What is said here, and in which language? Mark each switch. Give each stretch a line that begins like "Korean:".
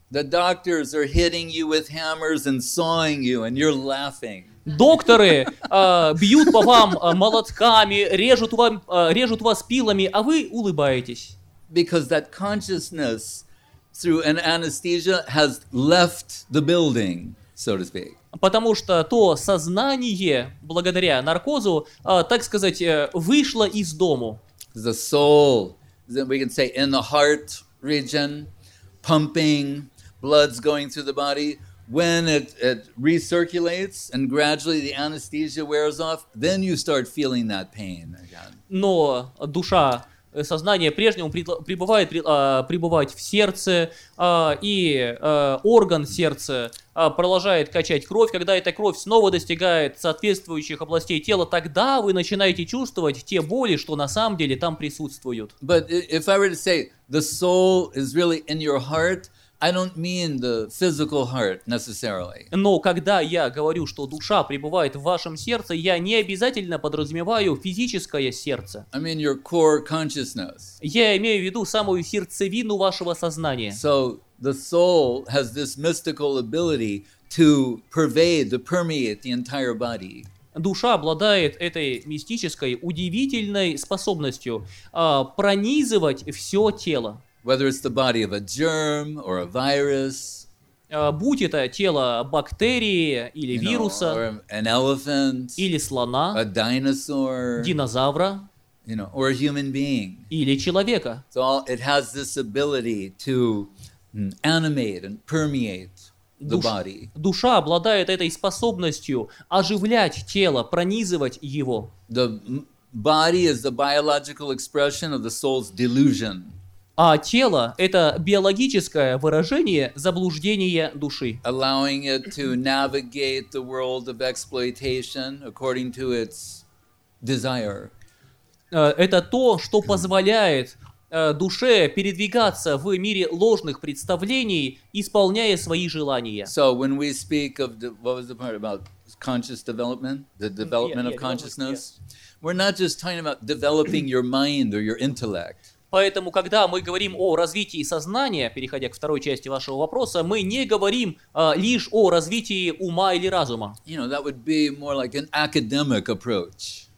English: The doctors are hitting you with hammers and sawing you, and you're laughing.
Russian: Докторы бьют по вам молотками, режут вас пилами, а вы улыбаетесь.
English: Because that consciousness through an anesthesia has left the building, so to speak.
Russian: Потому что то сознание, благодаря наркозу, так сказать, вышло из дому.
English: The soul, we can say, in the heart region, pumping, blood's going through the body. When it recirculates and gradually the anesthesia wears off, then you start feeling that pain again.
Russian: Но душа, сознание прежнему пребывает в сердце, и орган сердца продолжает качать кровь. Когда эта кровь снова достигает соответствующих областей тела, тогда вы начинаете чувствовать те боли, что на самом деле там присутствуют.
English: But if I were to say the soul is really in your heart, I don't mean the physical heart necessarily.
Russian: Но когда я говорю, что душа пребывает в вашем сердце, я не обязательно подразумеваю физическое сердце.
English: I mean your core consciousness.
Russian: Я имею в виду самую сердцевину вашего сознания.
English: So the soul has this mystical ability to pervade, to permeate the entire body.
Russian: Душа обладает этой мистической, удивительной способностью пронизывать все тело.
English: Whether it's the body of a germ or a virus,
Russian: будь это тело бактерии или вируса,
English: or an elephant,
Russian: или слона,
English: a dinosaur,
Russian: динозавра,
English: you know, or a human being,
Russian: или человека.
English: So it has this ability to animate and permeate the body.
Russian: Душа обладает этой способностью оживлять тело, пронизывать его.
English: The body is the biological expression of the soul's delusion.
Russian: А тело – это биологическое выражение заблуждения души.
English: Allowing it to navigate the world of exploitation according to its desire.
Russian: Это то, что позволяет душе передвигаться в мире ложных представлений, исполняя свои желания.
English: So when we speak of what was the part about conscious development, the development of consciousness, we're not just talking about developing your mind or your intellect.
Russian: Поэтому, когда мы говорим о развитии сознания, переходя к второй части вашего вопроса, мы не говорим лишь о развитии ума или разума.
English: You know, that would be more like an academic approach.